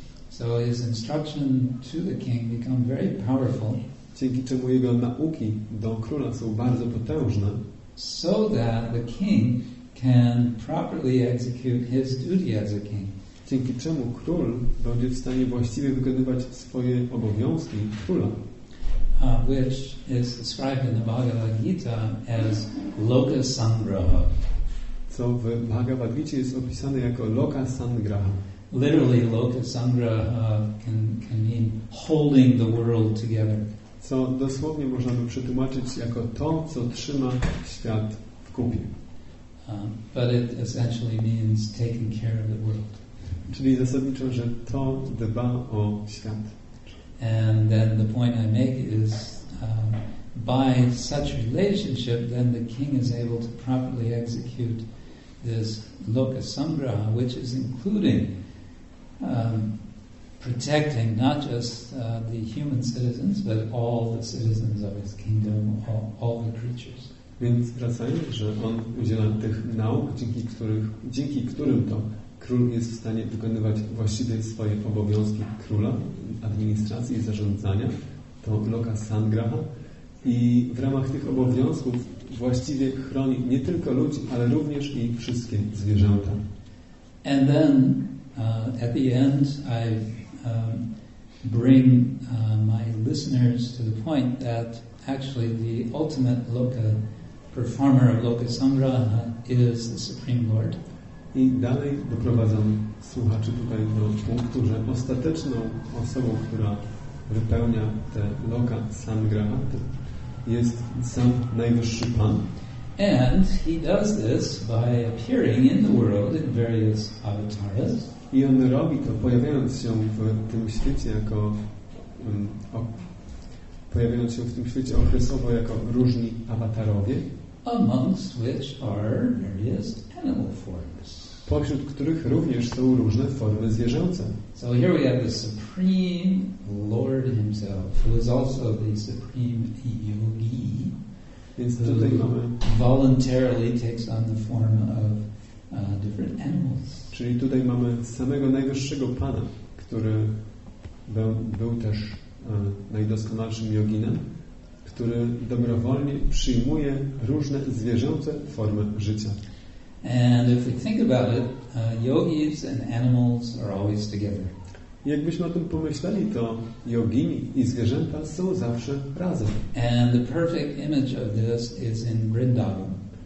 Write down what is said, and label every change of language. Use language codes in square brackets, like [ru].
[en] So his instruction to the king become very powerful. [pl] Dzięki czemu jego nauki do króla są bardzo potężne. [en] So that the king can properly execute his duty as a king. [pl] Dzięki czemu król będzie w stanie właściwie wykonywać swoje obowiązki króla. [en] which is described in the Bhagavad Gita as loka sangraha. [pl] Co w Bhagavad Gita jest opisane jako loka sangraha. [en] Literally, loka sangraha can mean holding the world together. [pl] Co dosłownie można by przetłumaczyć jako to, co trzyma świat w kupie. [en] But it essentially means taking care of the world. [pl] Czyli zasadniczo, że to dba o świat. [en] And then the point I make is by such relationship then the king is able to properly execute this loka sangraha, which is including protecting not just the human citizens but all the citizens of his kingdom, all the creatures. [pl] Więc wracając, że on udziela tych nauk, dzięki którym to król jest w stanie wykonywać właściwie swoje obowiązki króla, administracji i zarządzania, to loka sangraha, i w ramach tych obowiązków właściwie chroni nie tylko ludzi, ale również i wszystkie zwierzęta. [en] And then at the end I bring my listeners to the point that actually the ultimate loka performer of loka sangraha is the Supreme Lord. [pl] I dalej doprowadzam słuchaczy tutaj do punktu, że ostateczną osobą, która wypełnia te loka sangraha, jest sam najwyższy Pan. [en] And he does this by appearing in the world in various avatars. [pl] I on robi to, pojawiając się w tym świecie jako pojawiając się w tym świecie okresowo jako różni awatarowie. [en] Amongst which are various animal forms. [pl] Pośród których również są różne formy zwierzęce. [en] So here we have the Supreme Lord himself, who is also the Supreme Yogi, who voluntarily takes on the form of different animals. [pl] Czyli tutaj mamy samego najwyższego Pana, który był też najdoskonalszym joginem, który dobrowolnie przyjmuje różne zwierzęce formy życia. [en] And if we think about it, yogis and animals are always together. [pl] Jakbyśmy o tym pomyśleli, to jogini i zwierzęta są zawsze razem. [en] And the perfect image of this is in Vrindavan.